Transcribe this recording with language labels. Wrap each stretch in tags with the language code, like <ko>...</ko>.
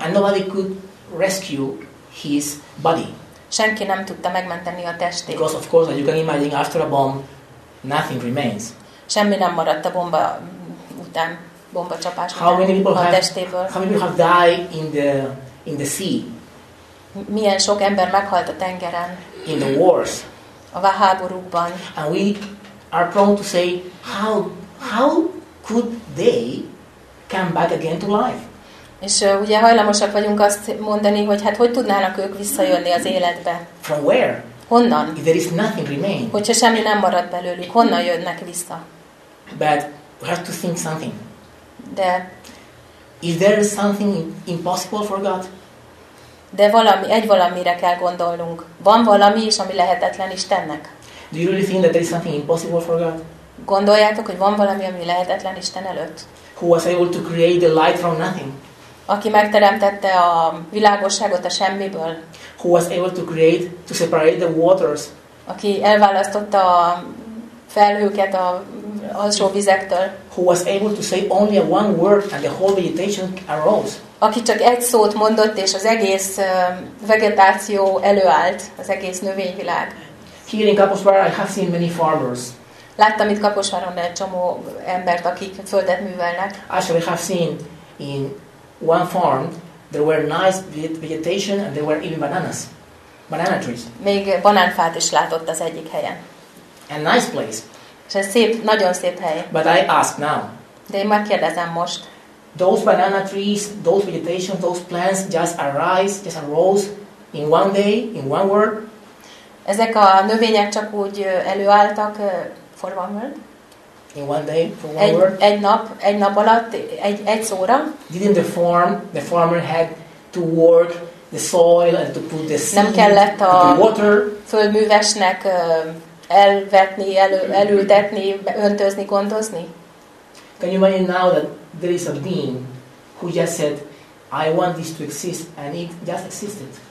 <en>And nobody could rescue his body.</en> <hu>Senki nem tudta megmenteni a testét.</hu> <en>Because of course, as you can imagine, after a bomb, nothing remains.</en> <hu>Semmi nem maradt a bomba után. Bomba csapás a testéből.</hu> <en>How many people have died in the sea?</en> <hu>Milyen sok ember meghalt a tengeren?</hu> <en>In the wars.</en> <hu>A háborúkban.</hu> <en>And we are prone to say how could they come back again to life?</en> <hu>És ugye hajlamosak vagyunk azt mondani, hogy hát hogy tudnának ők visszajönni az életbe?</hu> <en>From where?</en> <hu>Honnan?</hu> <en>If there is nothing remain.</en> <hu>Hogyha semmi nem marad belőlük, honnan jönnek vissza?</hu> <en>But we have to think something.</en> <hu>De</hu> <en>is there something impossible for God?</en> <hu>De egy valamire kell gondolnunk. Van valami is, ami lehetetlen Istennek?</hu> <en>Do you really think that there is something impossible for God?</en> <hu>Gondoljátok, hogy van valami, ami lehetetlen Isten előtt?</hu> <en>Who was able to create the light from nothing?</en> <hu>Aki megteremtette a világosságot a semmiből?</hu> <en>Who was able to create to separate the waters?</en> <hu>Aki elválasztotta a felhőket a alsó vizektől.</hu> <en>Who was able to say only one word and the whole vegetation arose.</en> <hu>Aki csak egy szót mondott, és az egész vegetáció előállt, az egész növényvilág.</hu> <en>Here in Kaposvára, I have seen many farmers.</en> <hu>Láttam itt Kaposváron egy csomó embert, akik földet művelnek.</hu> <en>Actually, I have seen in one farm, there were nice vegetation and there were even bananas. Banana trees.</en> <hu>Még banánfát is látott az egyik helyen.</hu> <en>A nice place.</en> <hu>És ez szép, nagyon szép hely.</hu> <en>But I ask now.</en> <hu>De én megkérdezem most.</hu> <en>Those banana trees, those vegetation, those plants just arose in one day, in one word.</en> <hu>Ezek a növények csak úgy előálltak</hu> <en>for one word. In one day, for one</en> <hu>egy,</hu> <en>word.</en> <hu>Egy nap alatt, egy szóra.</hu> <en>Didn't the farmer had to work the soil and to put the seed.</en> <hu>Nem kellett a</hu> <en>water.</en> <hu>Földművesnek elvetni, elültetni, öntözni, gondozni.</hu> <en>Can you imagine now that there is a being who just said, I want this to exist, and it just existed.</en>